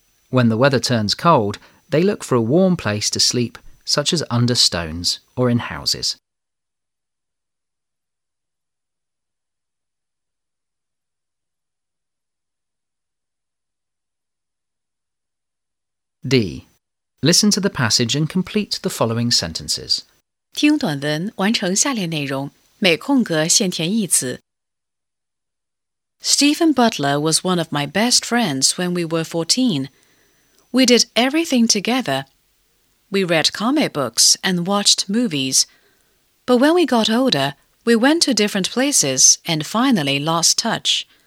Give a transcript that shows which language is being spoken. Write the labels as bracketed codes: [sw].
[en] When the weather turns cold, they look for a warm place to sleep, such as under stones or in houses. D. Listen to the passage and complete the following sentences. [zh] 听短文，完成下列内容，每空格限填一词。 [en] Stephen Butler was one of my best friends when we were 14. We did everything together. We read comic books and watched movies. But when we got older, we went to different places and finally lost touch.